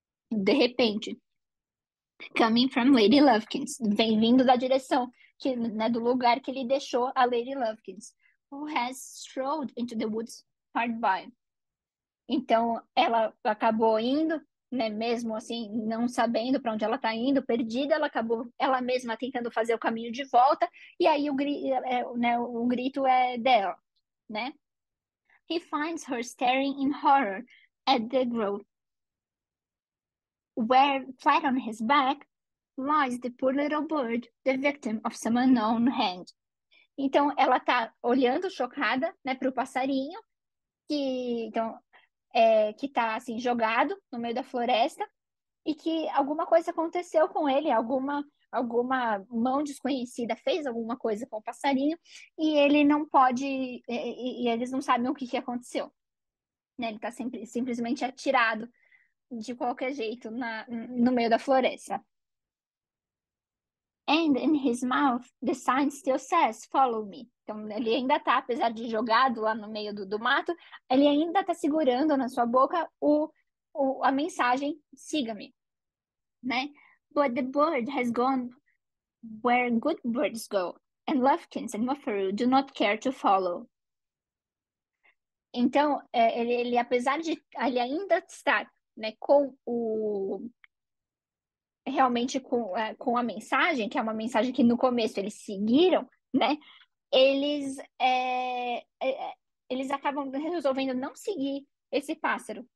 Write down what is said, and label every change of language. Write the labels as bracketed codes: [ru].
[pt] De repente, [en] coming from Lady Lufkins, [pt] vem vindo da direção que, né, do lugar que ele deixou a Lady Lufkins, [en] who has strolled into the woods hard by. [pt] Então ela acabou indo, né, mesmo assim não sabendo para onde ela está indo, perdida, ela acabou ela mesma tentando fazer o caminho de volta, e aí o grito é dela, né? [en] He finds her staring in horror at the growth, where, flat on his back, lies the poor little bird, the victim of some unknown hand. [pt] Então, ela tá olhando chocada, né, pro passarinho, que tá, assim, jogado no meio da floresta, e que alguma coisa aconteceu com ele, alguma mão desconhecida fez alguma coisa com o passarinho, e ele não pode, e eles não sabem o que que aconteceu, né? Ele tá simplesmente atirado de qualquer jeito no meio da floresta. [en] "And in his mouth, the sign still says, 'Follow me.'" [pt] Então ele ainda tá, apesar de jogado lá no meio do mato, ele ainda tá segurando na sua boca a mensagem "Siga-me", né? [en] "But the bird has gone Where good birds go, and lufkins and muffaroo do not care to follow. [pt] Então, ele apesar de ele ainda estar, né, com o realmente com a mensagem, que é uma mensagem que no começo eles seguiram, né? Eles acabam resolvendo não seguir esse pássaro.